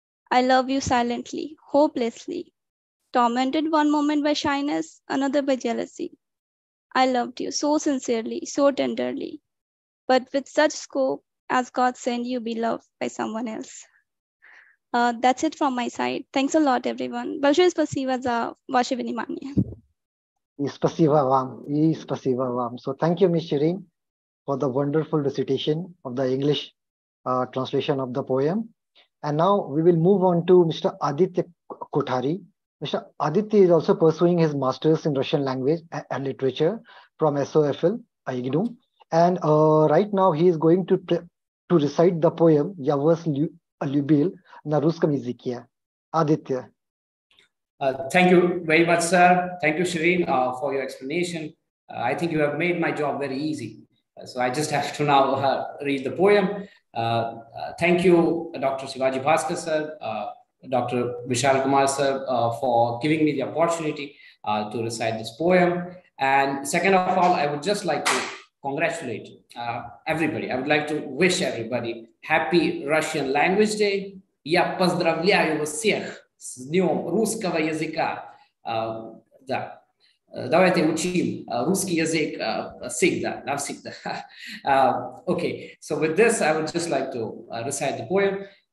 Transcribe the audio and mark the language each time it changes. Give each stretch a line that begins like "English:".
English: I love you silently, hopelessly. Tormented one moment by shyness, another by jealousy. I loved you so sincerely, so tenderly, but with such scope as God send you be loved by someone else. That's it from my side. Thanks a lot, everyone.
Russian: Большое спасибо за ваше внимание. И спасибо вам.
English: So thank you, Ms. Shireen, for the wonderful recitation of the English translation of the poem. And now we will move on to Mr. Aditya Kothari. Mr. Aditi is also pursuing his master's in Russian language and literature from SOFL, IGNOU. And right now he is going to recite the poem, Ya Vas Lyubil, na Ruskom Yazyke. Aditya. Thank you very much, sir. Thank you, Shireen, for your explanation. I think you have made my job very easy. So I just have to now read the poem. Thank you, Dr. Shivaji Bhaskar, sir. Dr. Vishal Kumar, sir, for giving me the opportunity to recite this poem. And second of all, I would just like to congratulate everybody. I would like to wish everybody happy Russian Language Day.
Russian: Я поздравляю всех с днем русского языка. Да. Давайте учим русский язык всегда, навсегда.
English: Okay, so with this, I would just like to recite the poem.